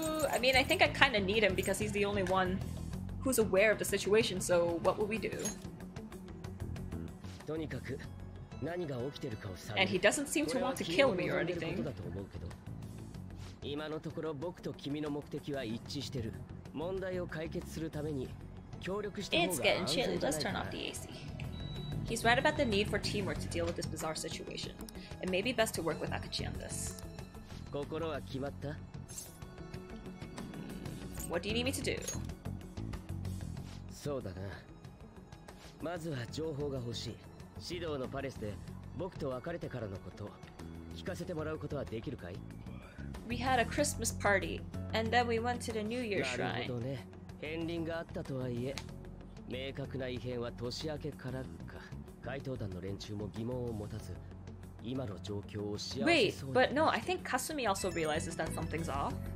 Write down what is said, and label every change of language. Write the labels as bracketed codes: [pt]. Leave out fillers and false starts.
[en] I mean, I think I kind of need him because he's the only one who's aware of the situation, so what will we do? [ja] とにかく、何が起きてるかを探る。 [en] And he doesn't seem to want to kill me or anything. [ja] これは君を望んでることだと思うけど、今のところ僕と君の目的は一致してる。問題を解決するために協力した方が安全じゃないかな。 [en] It's getting chilly. Let's turn off the AC. He's right about the need for teamwork to deal with this bizarre situation. It may be best to work with Akechi on this. [ja] 心は決まった？ [en] What do you need me to do? [ja] そうだな。まずは情報が欲しい。指導のパレスで僕と別れてからのこと聞かせてもらうことはできるかい？ [en] We had a Christmas party, and then we went to the New Year shrine. [ja] なるほどね。片鱗があったとはいえ、明確な異変は年明けからか。怪盗団の連中も疑問を持たず、今の状況を幸せそうに。 [en] Wait, but no, I think Kasumi also realizes that something's off.